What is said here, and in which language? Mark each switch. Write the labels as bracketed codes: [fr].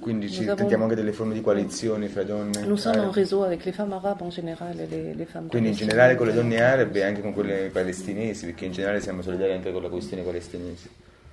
[it] Quindi ci tentiamo anche delle forme di coalizione fra donne. [fr] Nous sommes en réseau avec les femmes arabes en général et les femmes. [it] Quindi in generale con le donne arabe e anche con quelle palestinesi, perché in generale siamo solidari anche con la questione palestinese.